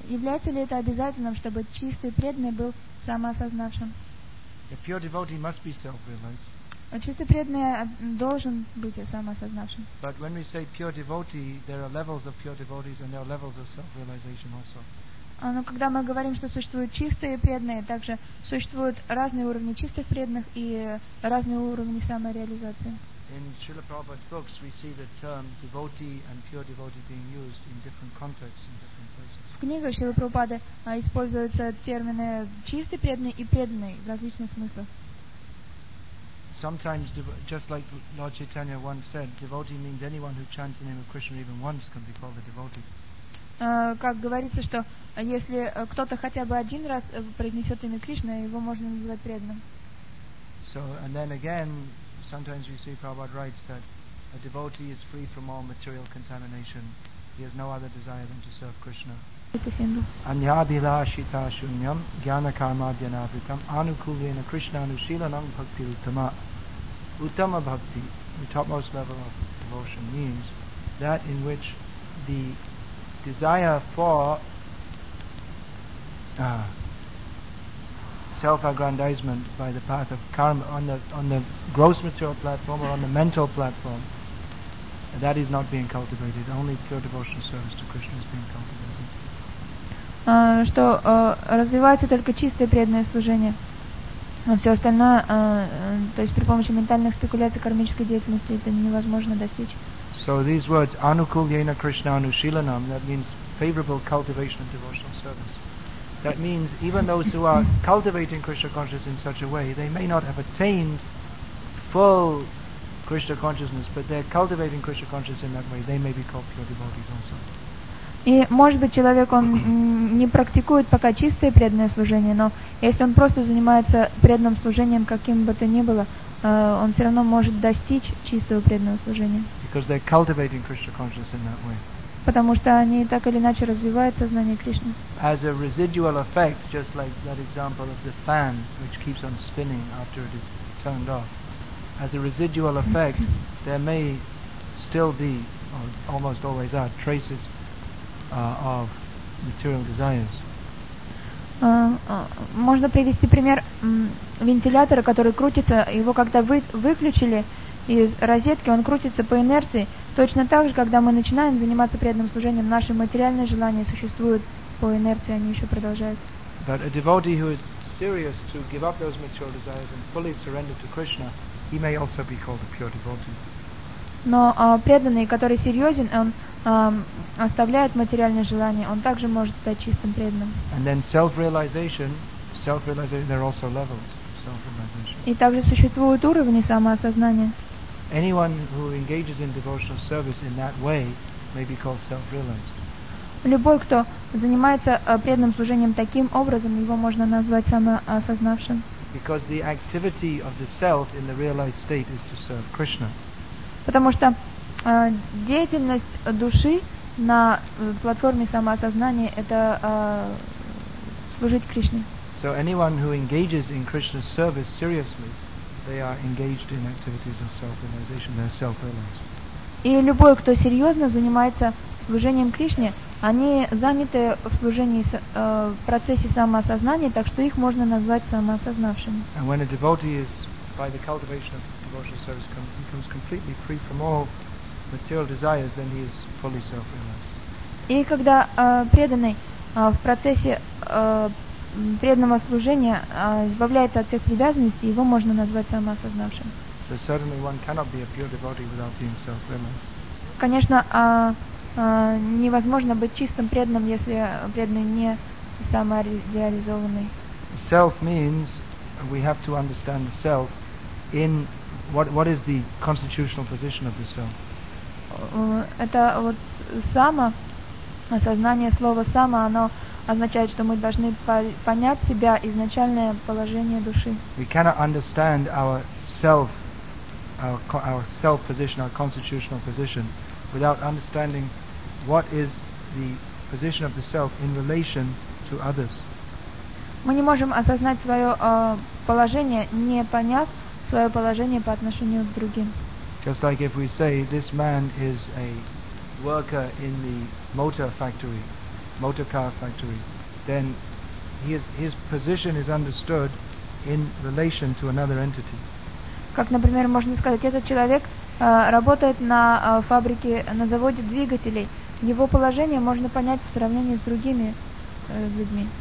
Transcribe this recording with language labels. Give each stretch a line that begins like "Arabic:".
Russian: Является ли это обязательным, чтобы чистый преданный был самоосознавшим?
English: A pure devotee must be self-realized.
Russian: Чистый преданный должен быть самоосознавшим.
English: But when we say pure devotee, there are levels of pure devotees and there are levels of self-realization also.
Russian: Но когда мы говорим, что существуют чистые преданные, также существуют разные уровни чистых преданных и разные уровни самореализации.
English: In Srila Prabhupada's books, we see the term devotee and pure devotee being used in different contexts, in different places.
Russian: В книгах Шрилы Прабхупады используются термины чистый преданный и преданный в различных смыслах.
English: Sometimes, just like Lord Chaitanya once said, devotee means anyone who chants the name of Krishna even once can be called a devotee.
Russian: Как говорится, что если кто-то хотя бы один раз произнесет имя Кришны, его можно называть преданным.
English: So, and then again, sometimes we see Prabhupada writes that a devotee is free from all material contamination. He has no other desire than to serve Krishna.
Sanskrit: Anyabhilashita shunyam jnana karma dhyanavritam anukulena krishna anushilanam bhakti uttama uttama bhakti.
English: The topmost level of devotion means that in which the desire for self-aggrandizement by the path of karma on the gross material platform or on the mental platform, that is not being cultivated. Only pure devotional service to Krishna is being cultivated.
Russian: Что развивается только чистое преданное служение, а все остальное, то есть при помощи ментальных спекуляций, кармической деятельности, это невозможно достичь.
English: So these words,
Sanskrit: anukulyena krishna anushilanam,
English: that means favorable cultivation of devotional service. That means even those who are cultivating Krishna consciousness in such a way, they may not have attained full Krishna consciousness, but they're cultivating Krishna consciousness in that way, they may be called pure devotees also.
Russian: И может быть человек он не практикует пока чистое преданное служение, но если он просто занимается преданным служением каким бы то ни было, он все равно может достичь чистого преданного служения.
English: Because they're cultivating Krishna consciousness in that way.
Russian: Потому что они так или иначе развивают сознание Кришны.
English: As a residual effect, just like that example of the fan which keeps on spinning after it is turned off. As a residual effect, there may still be, or almost always are, traces of material desires.
Russian: Можно привести пример вентилятора, который крутится, его когда выключили из розетки, он крутится по инерции. Точно так же, когда мы начинаем заниматься преданным служением, наши материальные желания существуют по инерции, они еще продолжают.
English: But a devotee who is serious to give up those material desires and fully surrender to Krishna, he may also be called a pure devotee.
Russian: Но преданный, который серьезен, он оставляет материальные желания, он также может стать чистым преданным.
English: And then self-realization, there are also levels of self-realization.
Russian: И также существуют уровни самоосознания.
English: Anyone who engages in devotional service in that way may be called self-realized.
Russian: Любой, кто занимается преданным служением таким образом, его можно назвать самоосознавшим.
English: Because the activity of the self in the realized state is to serve Krishna.
Russian: Потому что деятельность души на платформе самоосознания это служить Кришне.
English: So anyone who engages in Krishna's service seriously, they are engaged in activities of self-realization, they are self-realized.
Russian: И любой, кто серьезно занимается служением Кришне, они заняты в служении, в процессе самоосознания, так что их можно назвать самоосознавшими.
English: And when a devotee is, by the cultivation of devotional service, becomes completely free from all material desires, then he is fully self-realized.
Russian: И когда преданный в процессе преданного служения избавляется от всех привязанностей, его можно назвать самоосознавшим.
English: So certainly one cannot be a pure devotee without being self-realized.
Russian: Конечно, невозможно быть чистым преданным, если преданный не самореализованный.
English: Self means we have to understand the self in what is the constitutional position of the self.
Russian: Это вот само, осознание слова само, оно означает, что мы должны понять себя изначальное положение души.
English: We cannot understand our self position, our constitutional position, without understanding what is the position of the self in relation to others.
Russian: Мы не можем осознать свое положение, не поняв свое положение по отношению к другим.
English: Just like if we say this man is a worker in the motor car factory, then his position is understood in relation to another entity.
Russian: Как, например, можно сказать, этот человек работает на фабрике, на заводе двигателей. Его положение можно понять в сравнении с другими людьми.